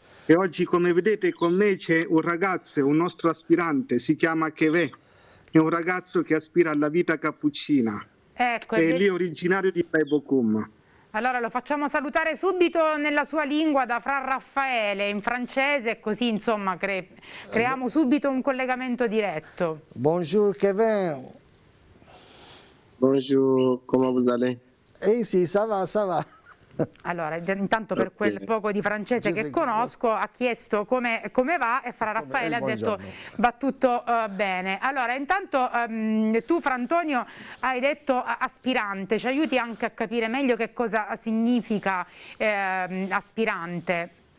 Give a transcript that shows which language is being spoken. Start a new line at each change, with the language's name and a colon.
Italian: E oggi, come vedete, con me c'è un ragazzo, un nostro aspirante, si chiama Kevè, è un ragazzo che aspira alla vita cappuccina, ecco, è lì originario di Baibokoum. Allora lo facciamo salutare subito nella sua lingua da Fra Raffaele, in francese, così insomma creiamo subito un collegamento diretto.
French: Bonjour Kevè. Bonjour, comment vous allez? Eh sì, ça va, ça va.
Italian: Allora, intanto per quel poco di francese che conosco, ha chiesto come va e Fra Raffaele ha detto va tutto bene. Allora, intanto tu Fra Antonio hai detto aspirante, ci aiuti anche a capire meglio che cosa significa aspirante?